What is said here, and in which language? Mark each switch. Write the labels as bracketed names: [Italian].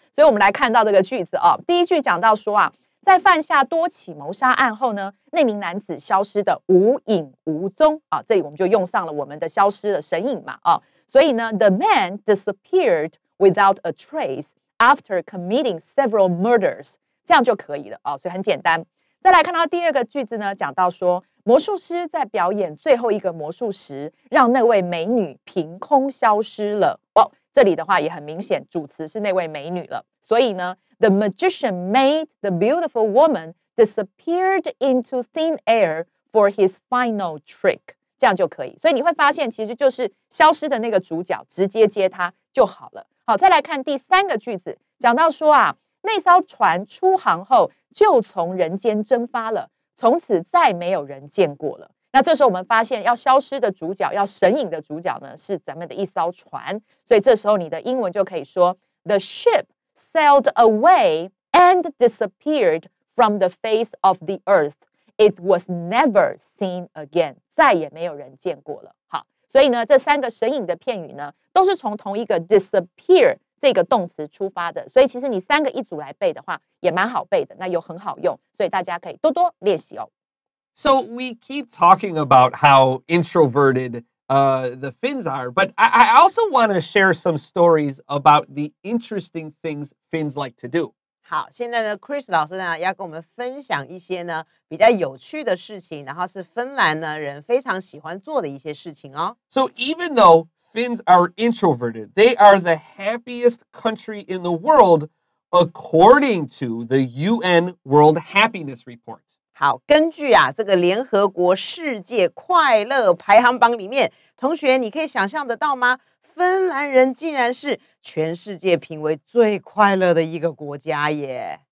[Chinese] 所以我们来看到这个句子、啊、第一句讲到说啊，在犯下多起谋杀案后呢，那名男子消失的无影无踪啊，这里我们就用上了我们的消失的神隐嘛啊，所以呢 ， [English] the man disappeared without a trace after committing several murders， [Chinese] 这样就可以了啊，所以很简单。再来看到第二个句子呢，讲到说魔术师在表演最后一个魔术时，让那位美女凭空消失了。哦，这里的话也很明显，主词是那位美女了，所以呢。 [English] The magician made the beautiful woman disappeared into thin air for his final trick. [Chinese] 这样就可以。所以你会发现其实就是消失的那个主角直接接他就好了。好，再来看第三个句子，讲到说啊，那艘船出航后就从人间蒸发了，从此再没有人见过了。那这时候我们发现要消失的主角，要神隐的主角呢，是咱们的一艘船。所以这时候你的英文就可以说 [English] The ship. Sailed away and disappeared from the face of the earth. It was never seen again. [Chinese] 再也没有人见过了。好，所以呢，这三个神隐的片语呢，都是从同一个 disappear 这个动词出发的。所以其实你三个一组来背的话，也蛮好背的，那又很好用，所以大家可以多多练习哦。 [English] So we keep talking about how introverted. The Finns are, but I also want to share some stories about the interesting things Finns like to do. [Chinese] 好，现在呢 ，Chris 老师呢要跟我们分享一些呢比较有趣的事情，然后是芬兰呢人非常喜欢做的一些事情哦。 [English] So even though Finns are introverted, they are the happiest country in the world, according to the UN World Happiness Report. [Chinese] 好，根据啊这个联合国世界快乐排行榜里面，同学你可以想象得到吗？芬兰人竟然是全世界评为最快乐的一个国家耶。